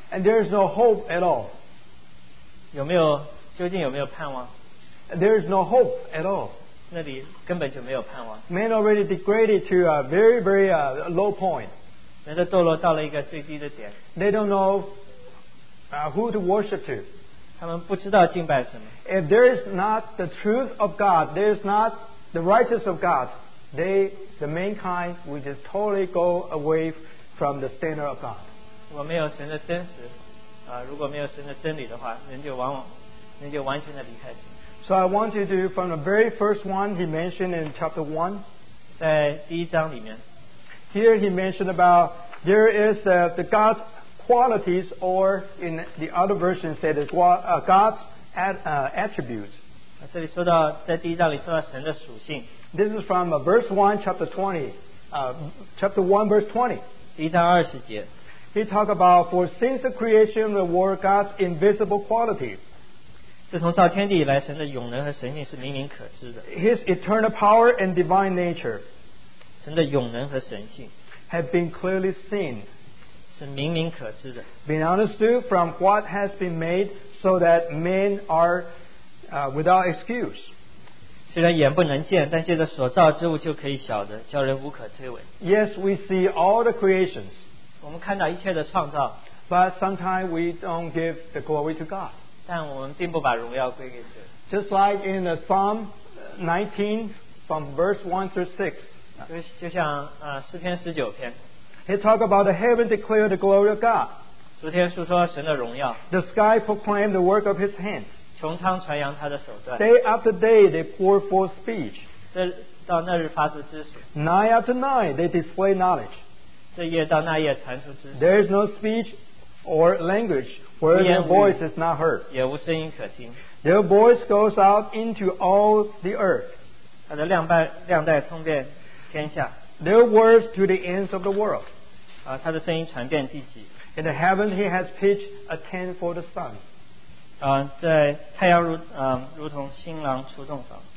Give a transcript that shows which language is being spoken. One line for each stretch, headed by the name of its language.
English: And there is no hope at all.
Chinese: 有没有，究竟有没有盼望？
English: There is no hope at all.
Chinese: 那里根本就没有盼望。
English: Man already degraded to a very, very low point.
Chinese: 人的堕落到了一个最低的点。
English: They don't know who to worship to.
Chinese: 他们不知道敬拜什么。
English: If there is not the truth of God, there is not the righteousness of God,the mankind will just totally go away from the standard of God.
Chinese: 如果没有神的真实，如果没有神的真理的话，人就完全的离开神。
English: So I want you to, from the very first one he mentioned in chapter 1,
Chinese: 在第一章里面,
English: here he mentioned about there is the God's qualities, or in the other version said God's attributes.
Chinese: 这里说到, 在第一章里说到神的属性,
English: this is from verse 1, chapter 20. Chapter 1, verse 20.
Chinese: 第一章20节,
English: he talked about, for since the creation of the world, God's invisible quality.
Chinese: 自从造天地以来,
English: his eternal power and divine nature
Chinese: 神的永能和神性,
English: have been clearly seen.
Chinese: 是明明可知的,
English: been understood from what has been made, so that men are without excuse.
Chinese: 虽然眼不能见, 但借着所造之物就可以晓得, 叫人无可推诿。
English: Yes, we see all the creations.
Chinese: 我们看到一切的创造,
English: but sometimes we don't give the glory to God.
Chinese: 但我们并不把荣耀归给神。
English: Just like in the Psalm 19 from verse 1 through 6,
Chinese: 就像, 诗篇19篇,
English: he talked about the heaven declare the glory of God.
Chinese: 诗篇述说神的荣耀,
English: the sky proclaim the work of his hands.
Chinese: 穹苍传扬他的手段,
English: day after day they pour forth speech.
Chinese: 这到那日发出知识,
English: night after night they display knowledge.
Chinese: 这夜到那夜传出知识,
English: there is no speech or language where
Chinese: 无言无语,
English: their voice is not heard.
Chinese: 也无声音可听,
English: their voice goes out into all the earth.
Chinese: 它的亮带通遍天下,
English: their words to the ends of the world.
Chinese: 它的声音传遍地极,
English: in the heaven he has pitched a tent for the sun.
Chinese: 在太阳如同新郎出洞房,